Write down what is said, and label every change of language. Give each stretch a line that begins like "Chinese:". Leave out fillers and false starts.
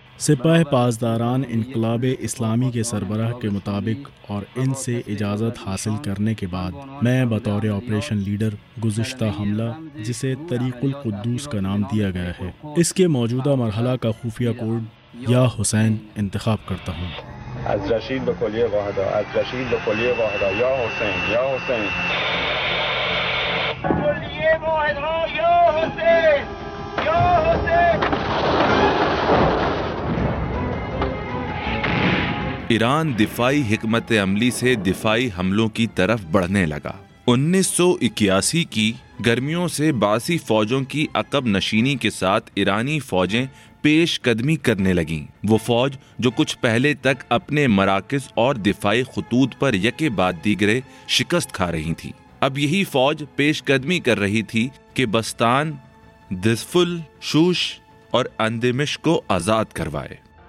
Urdu: سپاہ پاسداران انقلاب اسلامی کے سربراہ کے مطابق اور ان سے اجازت حاصل کرنے کے بعد، میں بطور آپریشن لیڈر گزشتہ حملہ، جسے طریق القدوس کا نام دیا گیا ہے، اس کے موجودہ مرحلہ کا خفیہ کوڈ یا حسین انتخاب کرتا ہوں۔
Persian: از رشید بکلیه واحدا، از رشید بکلیه واحدا، یا حسین، یا حسین، بکلیه واحدا، یا حسین، یا حسین۔
Urdu: ایران دفاعی حکمت عملی سے دفاعی حملوں کی طرف بڑھنے لگا۔ 1981 کی گرمیوں سے باسی فوجوں کی عقب نشینی کے ساتھ ایرانی فوجیں پیش قدمی کرنے لگیں۔ وہ فوج جو کچھ پہلے تک اپنے مراکز اور دفاعی خطوط پر یکے بعد دیگرے شکست کھا رہی تھی، اب یہی فوج پیش قدمی کر رہی تھی کہ بستان، دزفل، شوش اور اندمش کو آزاد کروائے۔